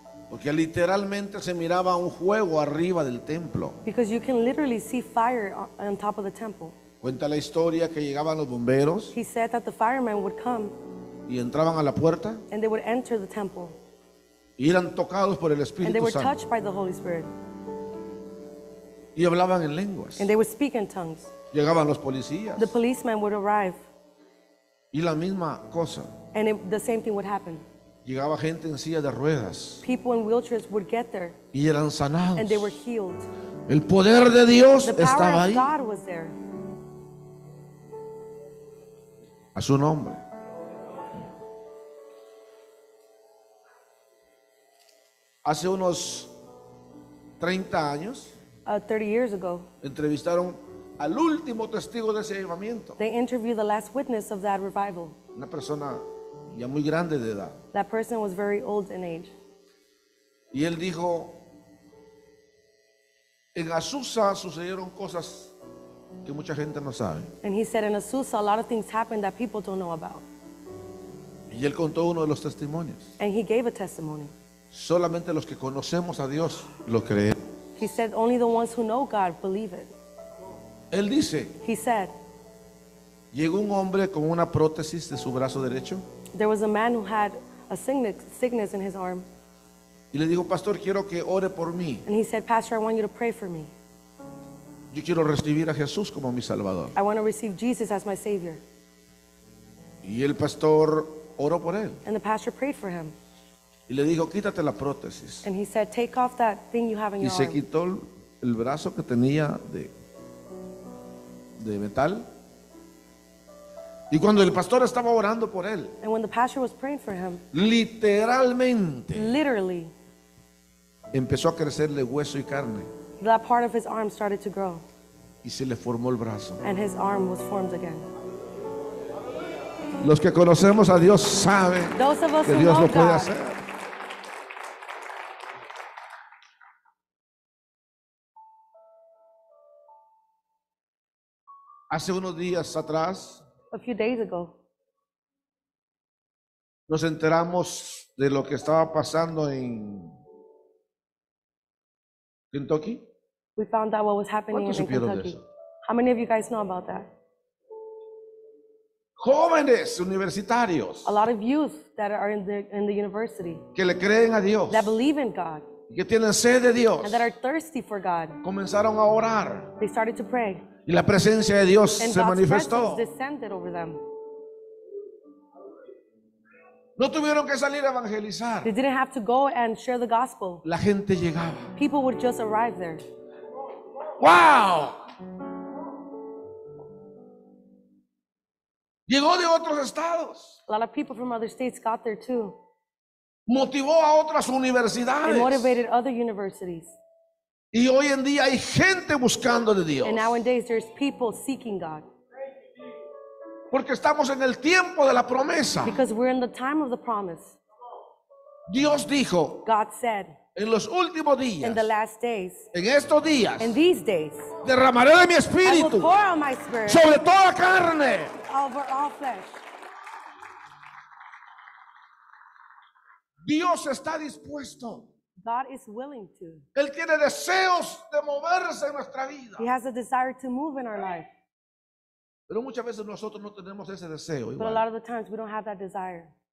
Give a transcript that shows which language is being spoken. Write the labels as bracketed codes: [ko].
[es] Porque literalmente se miraba un fuego arriba del templo. [en] Because you can literally see fire on top of the temple. [es] Cuenta la historia que llegaban los bomberos. [en] He said that the firemen would come. [es] Y entraban a la puerta. [en] And they would enter the temple. [es] Y eran tocados por el Espíritu Santo. [en] And they were touched by the Holy Spirit. [es] Y hablaban en lenguas. [en] And they would speak in tongues. [es] Llegaban los policías. [en] The policemen would arrive. [es] Y la misma cosa. [en] And the same thing would happen. [es] Llegaba gente en silla de ruedas. [en] People in wheelchairs would get there. [es] Y eran sanados. [en] And they were healed. [es] El poder de Dios estaba ahí. [en] The power of God was there. [es] A su nombre. Hace unos 30 años, [en] 30 years ago, [es] entrevistaron al último testigo de ese avivamiento. [en] They interviewed the last witness of that revival. [es] Una persona ya muy grande de edad. [en] That person was very old in age. [es] Y él dijo, en Azusa sucedieron cosas que mucha gente no sabe. [en] And he said in Azusa a lot of things happened that people don't know about. [es] Y él contó uno de los testimonios. [en] And he gave a testimony. [es] Solamente los que conocemos a Dios lo creen. [en] He said only the ones who know God believe it. [es] Él dice, [en] he said, [es] llegó un hombre con una prótesis de su brazo derecho. [en] There was a man who had a sickness in his arm. [es] Y le dijo, pastor, quiero que ore por mí. [en] And he said, pastor, I want you to pray for me. [es] Yo quiero recibir a Jesús como mi salvador. [en] I want to receive Jesus as my savior. [es] Y el pastor oró por él. [en] And the pastor prayed for him. [es] Y le dijo, quítate la prótesis. [en] And he said, take off that thing you have in [es] y [en] your arm. [es] Y se quitó el brazo que tenía de metal. Y cuando el pastor estaba orando por él, [en] and when the pastor was praying for him, [es] literalmente, [en] literally, [es] empezó a crecerle hueso y carne. [en] That part of his arm started to grow. [es] Y se le formó el brazo. [en] And his arm was formed again. [es] Los que conocemos a Dios saben que Dios lo puede hacer. Hace unos días atrás, [en] a few days ago, [es] nos enteramos de lo que estaba pasando en Kentucky. [en] We found out what was happening in Kentucky. How many of you guys know about that? [es] Jóvenes universitarios. [en] A lot of youth that are in the university. [es] Que le creen a Dios. [en] That believe in God. [es] Y que tienen sed de Dios. [en] And that are thirsty for God. [es] Comenzaron a orar. [en] They started to pray. [es] Y la presencia de Dios [en] and [es] se [en] God's [es] manifestó. [en] Descended over them. [es] No tuvieron que salir a evangelizar. [en] They didn't have to go and share the gospel. [es] La gente llegaba. [en] People would just arrive there. Wow. [es] Llegó de otros estados. [en] A lot of people from other states got there too. [es] Motivó a otras universidades. [en] It motivated other universities. [es] Y hoy en día hay gente buscando de Dios. [en] And nowadays there's people seeking God. [es] Porque estamos en el tiempo de la promesa. [en] Because we're in the time of the promise. [es] Dios dijo, [en] God said, [es] en los últimos días, [en] in the last days, [es] en estos días, [en] in these days, [es] derramaré de mi espíritu, [en] I will pour out my spirit, [es] sobre toda carne, [en] over all flesh. [es] Dios está dispuesto. [en] God is willing to. [es] Él tiene deseos de moverse en nuestra vida. [en] He has a desire to move in our life. [es] Pero muchas veces nosotros no tenemos ese deseo. [en] But a lot of the times we don't have that desire.